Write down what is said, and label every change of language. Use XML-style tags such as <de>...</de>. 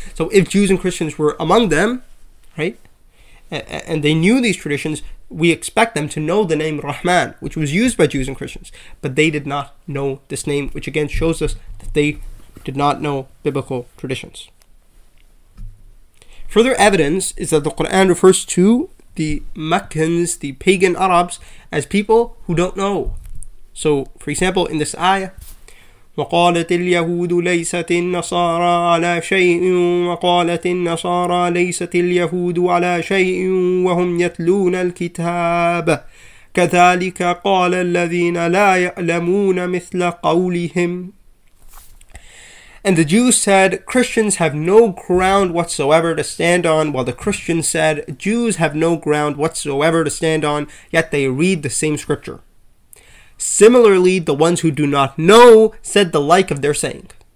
<en>So if Jews and Christians were among them, right, and they knew these traditions, we expect them to know the name Rahman, which was used by Jews and Christians, but they did not know this name, which again shows us that they did not know biblical traditions. Further evidence is that the Quran refers to the Meccans, the pagan Arabs, as people who don't know. So, for example, in this ayah,</en> <ar>وقالت اليهود ليست النصارى على شيء وقالت النصارى ليست اليهود على شيء وهم يتلون الكتاب كذلك قال الذين لا يعلمون مثل قولهم.</ar> <en>And the Jews said, Christians have no ground whatsoever to stand on, while the Christians said, Jews have no ground whatsoever to stand on, yet they read the same scripture. Similarly, the ones who do not know said the like of their saying.</en>